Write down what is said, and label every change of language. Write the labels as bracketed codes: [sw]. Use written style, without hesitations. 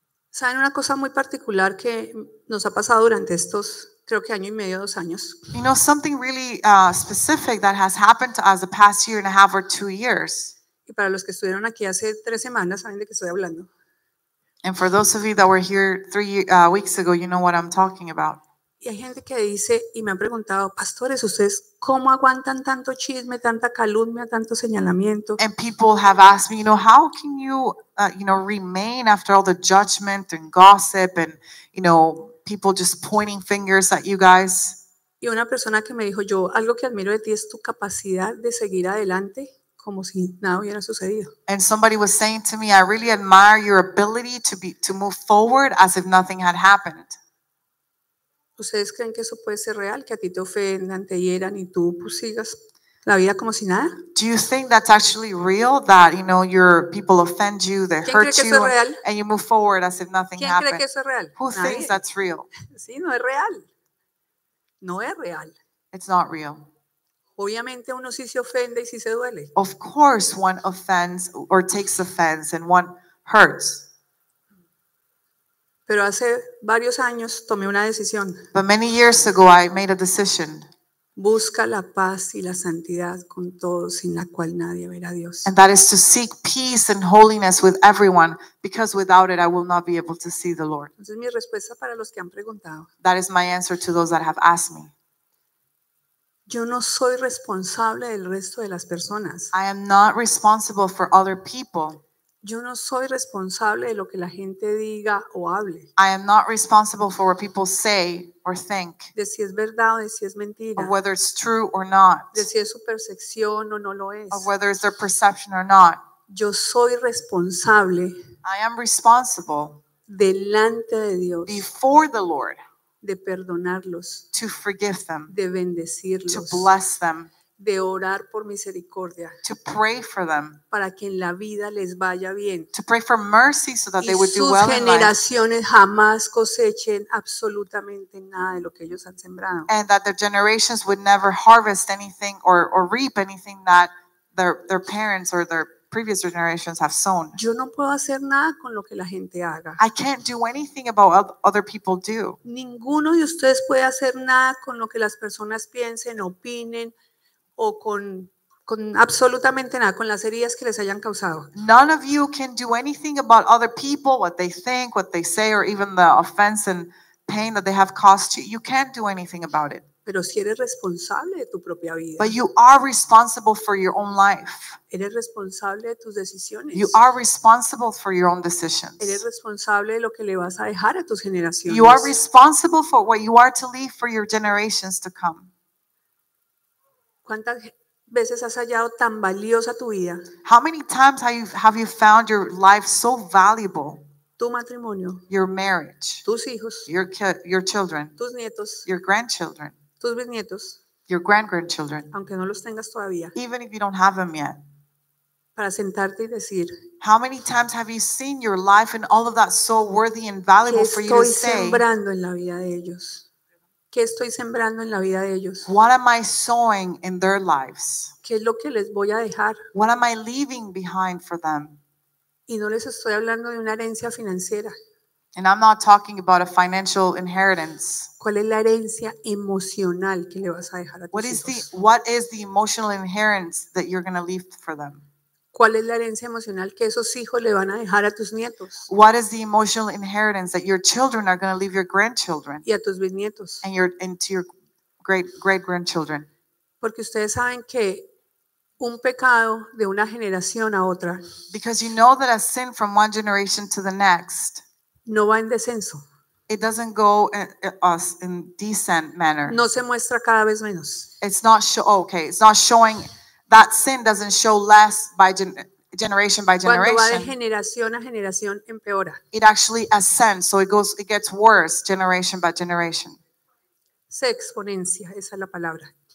[es] ¿Saben una cosa muy particular que nos ha pasado durante estos, creo que año y medio, dos años? [en] You know, something really specific that has happened to us the past year and a half or 2 years. [es] Y para los que estuvieron aquí hace 3 semanas, saben de qué estoy hablando. [en] And for those of you that were here 3 weeks ago, you know what I'm talking about. [es] Y hay gente que dice y me han preguntado, pastores, ¿ustedes cómo aguantan tanto chisme, tanta calumnia, tanto señalamiento? [en] And people have asked me, you know, how can you, you know, remain after all the judgment and gossip and, you know, people just pointing fingers at you guys? [es] Y una persona que me dijo, yo algo que admiro de ti es tu capacidad de seguir adelante como si nada hubiera sucedido. [en] And somebody was saying to me, I really admire your ability to move forward as if nothing had happened. [es] ¿Ustedes creen que eso puede ser real? ¿Que a ti te ofendan, te hieran y tú pues sigas la vida como si nada? [en] Do you think that's actually real? That, you know, your people offend you, they hurt you, and you move forward as if nothing happened. [es] ¿Quién cree que eso es real? [en] Who thinks that's real? [es] Sí, no es real. No es real. [en] It's not real. [es] Obviamente uno sí se ofende y sí se duele. [en] Of course one offends or takes offense and one hurts. [es] Pero hace varios años tomé una decisión. [en] But many years ago I made a decision. [es] Busca la paz y la santidad con todos, sin la cual nadie verá a Dios. [en] And that is to seek peace and holiness with everyone, because without it I will not be able to see the Lord. [es] Esa es mi respuesta para los que han preguntado. [en] That is my answer to those that have asked me. [es] Yo no soy responsable del resto de las personas. [en] I am not responsible for other people. [es] Yo no soy responsable de lo que la gente diga o hable. [en] I am not responsible for what people say or think. [es] De si es verdad o de si es mentira. [en] Of whether it's true or not. [es] De si es su percepción o no lo es. [en] Of whether it's their perception or not. [es] Yo soy responsable. [en] I am responsible. [es] Delante de Dios. [en] Before the Lord. [es] De perdonarlos. [en] To forgive them. [es] De bendecirlos. [en] To bless them. [es] De orar por misericordia. [en] To pray for them. [es] Para que en la vida les vaya bien. [en] To pray for mercy so that [es] y [en] they would do well in life. [es] Y sus generaciones jamás cosechen absolutamente nada de lo que ellos han sembrado. [en] And that their generations would never harvest anything or reap anything that their parents or their previous generations have sown. [es] Yo no puedo hacer nada con lo que la gente haga. [en] I can't do anything about what other people do. [es] Ninguno de ustedes puede hacer nada con lo que las personas piensen, opinen, o con absolutamente nada, con las heridas que les hayan causado. [en] None of you can do anything about other people, what they think, what they say, or even the offense and pain that they have caused you. You can't do anything about it. [es] Pero si eres responsable de tu propia vida. [en] But you are responsible for your own life. [es] Eres responsable de tus decisiones. [en] You are responsible for your own decisions. [es] Eres responsable de lo que le vas a dejar a tus generaciones. [en] You are responsible for what you are to leave for your generations to come. [es] ¿Cuántas veces has hallado tan valiosa tu vida? [en] How many times have you found your life so valuable? [es] Tu matrimonio. [en] Your marriage. [es] Tus hijos. [en] Your children. [es] Tus nietos. [en] Your grandchildren. [es] Tus bisnietos. [en] Your grandchildren. [es] Aunque no los tengas todavía. [en] Even if you don't have them yet. [es] Para sentarte y decir. [en] How many times have you seen your life and all of that so worthy and valuable for you to say? [es] ¿Qué estoy sembrando en la vida de ellos? ¿Qué estoy sembrando en la vida de ellos? [en] What am I sowing in their lives? [es] ¿Qué es lo que les voy a dejar? [en] What am I leaving behind for them? [es] Y no les estoy hablando de una herencia financiera. [en] And I'm not talking about a financial inheritance. [es] ¿Cuál es la herencia emocional que le vas a dejar a tus hijos? [en] What is the emotional inheritance that you're going to leave for them? [es] ¿Cuál es la herencia emocional que esos hijos le van a dejar a tus nietos? [en] What is the emotional inheritance that your children are going to leave your grandchildren? [es] Y a tus bisnietos. [en] And to your great-grandchildren. [es] Porque ustedes saben que un pecado de una generación a otra. [en] Because you know that a sin from one generation to the next. [es] No va en descenso. [en] It doesn't go in descent manner. [es] No se muestra cada vez menos. [en] It's not showing. That sin doesn't show less by generation by generation. [es] Cuando va de generación a generación, empeora. [en] It actually ascends, so it gets worse generation by generation. [es] se exponencia, esa es la palabra.